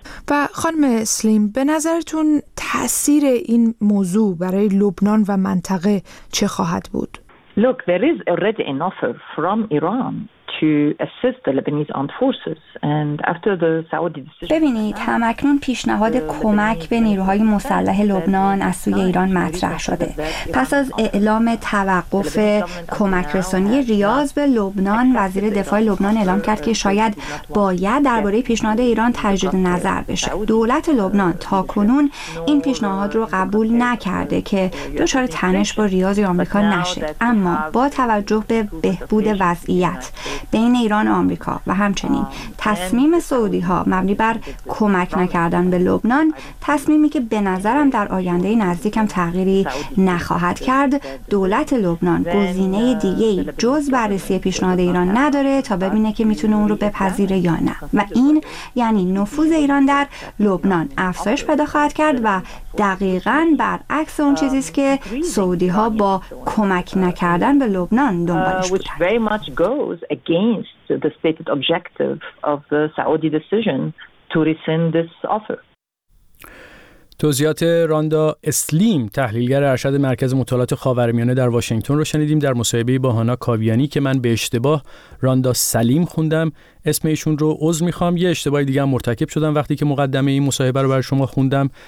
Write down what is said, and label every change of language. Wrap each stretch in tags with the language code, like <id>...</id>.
<fa>و خانم اسلیم، به نظرتون تأثیر این موضوع برای لبنان و منطقه چه خواهد بود؟</fa> <en>Look, there is already an offer from Iran to assist the Lebanese armed forces. And after the Saudi decision,</en> <fa>ببینید، هم‌اکنون پیشنهاد کمک به نیروهای مسلح لبنان از سوی ایران مطرح شده. پس از اعلام توقف کمک رسانی ریاض به لبنان، وزیر دفاع لبنان اعلام کرد که شاید باید درباره پیشنهاد ایران تجدید نظر بشه. دولت لبنان تا کنون این پیشنهاد رو قبول نکرده که دچار تنش با ریاض یا آمریکا نشه. اما با توجه به بهبود وضعیت بین ایران و آمریکا و همچنین تصمیم سعودی ها مبنی بر کمک نکردن به لبنان، تصمیمی که به نظرم در آینده نزدیکم تغییری نخواهد کرد، دولت لبنان گزینه دیگه‌ای جز بررسی پیشنهاد ایران نداره تا ببینه که میتونه اون رو بپذیره یا نه. و این یعنی نفوذ ایران در لبنان افزایش پیدا خواهد کرد و دقیقاً برعکس اون چیزی است که سعودی ها با کمک نکردن به لبنان دنبالش بودن.</fa> <en>Against the stated objective of the Saudi decision to rescind this offer.</en> <fa>توضیحات راندا اسلیم، تحلیلگر ارشد مرکز مطالعات خاورمیانه در واشنگتن رو شنیدیم در مصاحبه با هانا کاویانی که من به اشتباه راندا سلیم خوندم. اسم ایشون رو عذر میخوام. یه اشتباه دیگه هم مرتکب شدم وقتی که مقدمه این مصاحبه رو برای شما خوندم.</fa>